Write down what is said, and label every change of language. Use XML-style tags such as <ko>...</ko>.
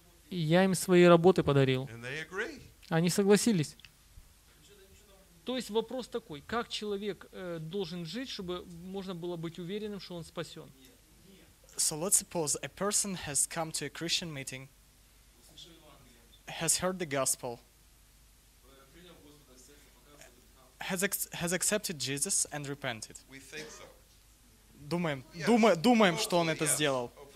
<ru>Я им свои работы подарил. Они согласились. То есть вопрос такой, как человек должен жить, чтобы можно было быть уверенным, что он спасен?</ru> <en>So let's suppose a person has come to a Christian meeting, has heard the gospel, has accepted Jesus and repented. We think so.</en> <ru>Думаем, что он это сделал.</ru>